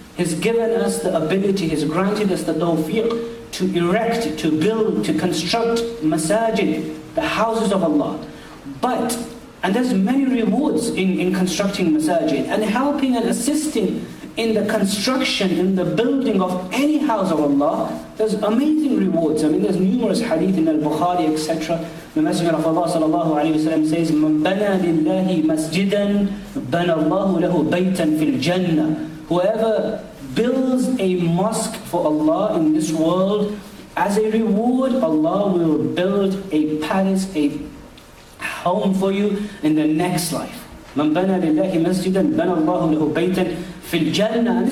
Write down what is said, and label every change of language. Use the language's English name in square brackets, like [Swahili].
[English] He's given us the ability, He's granted us the tawfiq to erect, to build, to construct masajid, the houses of Allah. But, and there's many rewards in constructing masajid, and helping and assisting in the construction, in the building of any house of Allah, there's amazing rewards. I mean, there's numerous hadith in Al-Bukhari, etc. The Messenger of Allah [Arabic] sallallahu alayhi wa sallam says, مَنْ بَنَى لِلَّهِ مَسْجِدًا بَنَى اللَّهُ لَهُ بَيْتًا فِي الْجَنَّةِ. [English] Whoever builds a mosque for Allah in this world, as a reward, Allah will build a palace, a home for you in the next life. [Arabic] مَنْ بَنَى لِلَّهِ مَسْجِدًا بَنَى اللَّهُ لَهُ بَيْتًا فِي الْجَنَّةِ.